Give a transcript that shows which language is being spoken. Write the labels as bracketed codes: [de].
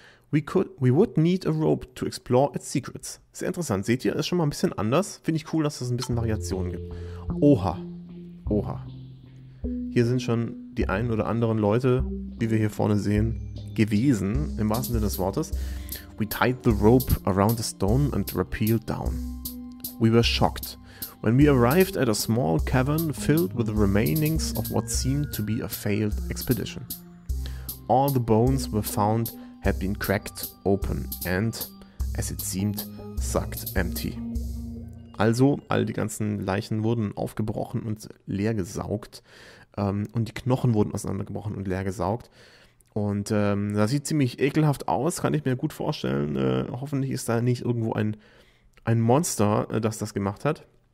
[en] We would need a rope to explore its secrets. [de] Sehr interessant. Seht ihr, ist schon mal ein bisschen anders. Finde ich cool, dass es ein bisschen Variationen gibt. Oha. Oha. Hier sind schon die einen oder anderen Leute, wie wir hier vorne sehen, gewesen, im wahrsten Sinne des Wortes. [en] We tied the rope around a stone and rappelled down. We were shocked when we arrived at a small cavern filled with the remainings of what seemed to be a failed expedition. All the bones were found had been cracked open and, as it seemed, sucked empty. [de] Also, all die ganzen Leichen wurden aufgebrochen und leer gesaugt. Und die Knochen wurden auseinandergebrochen und leer gesaugt. Und das sieht ziemlich ekelhaft aus, kann ich mir gut vorstellen. Hoffentlich ist da nicht irgendwo ein Monster, das das gemacht hat.